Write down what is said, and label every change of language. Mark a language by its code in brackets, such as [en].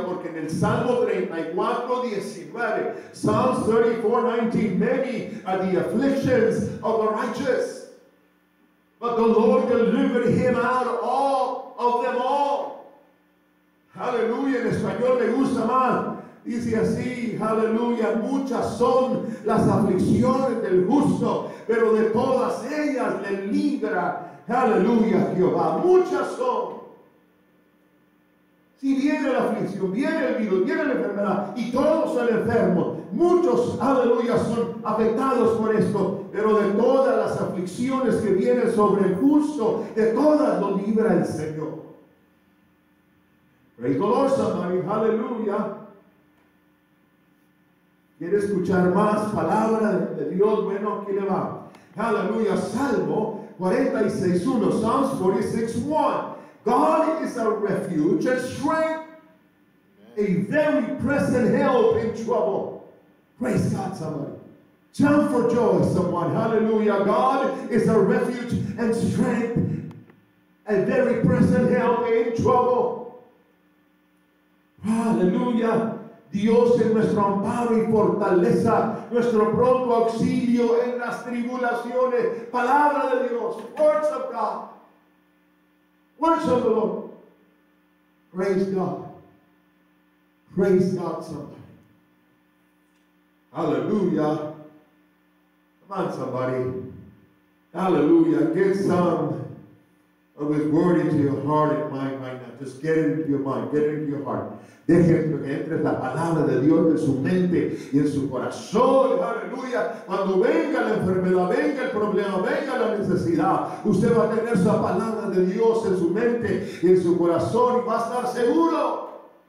[es] Porque en el Salmo 34:19, [en] Psalms 34:19, many are the afflictions of the righteous, but the Lord delivered him out of all of them all. [es] Hallelujah. En español le gusta más. Dice así, aleluya, muchas son las aflicciones del justo, pero de todas ellas le libra, aleluya, Jehová, muchas son. Si viene la aflicción, viene el virus, viene la enfermedad, y todos son enfermos, muchos, aleluya, son afectados por esto, pero de todas las aflicciones que vienen sobre el justo, de todas lo libra el Señor. [en] Praise the Lord, somebody, aleluya. [es] ¿Quiere escuchar más palabra de Dios? Bueno, aquí le va. Aleluya. Salmo 46:1. [en] Psalms 46:1. God is our refuge and strength, a very present help in trouble. Praise God, somebody. Jump for joy, someone. Hallelujah. God is our refuge and strength, a very present help in trouble. Hallelujah. [es] Dios es nuestro amparo y fortaleza, nuestro pronto auxilio en las tribulaciones. Palabra de Dios, [en] words of God, words of the Lord. Praise God, praise God, somebody. Hallelujah. Come on, somebody. Hallelujah. Get some of His word into your heart and mind right now. Just get it into your mind, get it into your heart. [es] Deje que entre la palabra de Dios en su mente y en su corazón. Aleluya. Cuando venga la enfermedad, venga el problema, venga la necesidad, usted va a tener esa palabra de Dios en su mente y en su corazón y va a estar seguro.